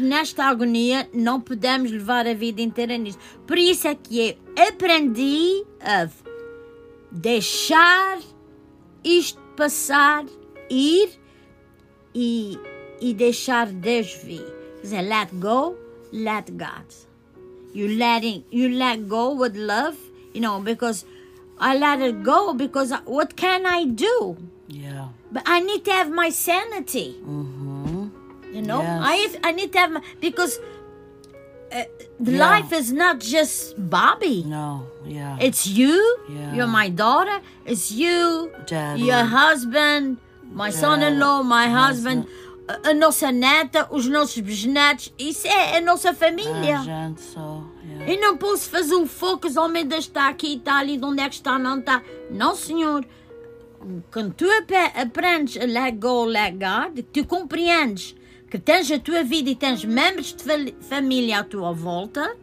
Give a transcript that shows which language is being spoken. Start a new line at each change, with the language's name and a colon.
Portuguese: nesta agonia, não podemos levar a vida inteira nisto. Por isso é que eu aprendi a deixar isto passar, ir e deixar Deus vir.
English: Let go, let God. You let go with love, you know, because I let it go because what can I do? Yeah. But I need to have my sanity. Mm-hmm. You know, yes. I need to have my, because life is not just Bobby. No, yeah. It's you, you're my daughter, it's you, Daddy. Your husband, my son-in-law, my husband.
Portuguese: A nossa neta, os nossos bisnetos, isso é a nossa família. A gente só. E não posso fazer um foco, o homem deve estar aqui, está ali, de onde é que está, não está. Não, senhor. Quando tu aprendes a let go, let God, tu compreendes que tens a tua vida e tens membros de família à tua volta.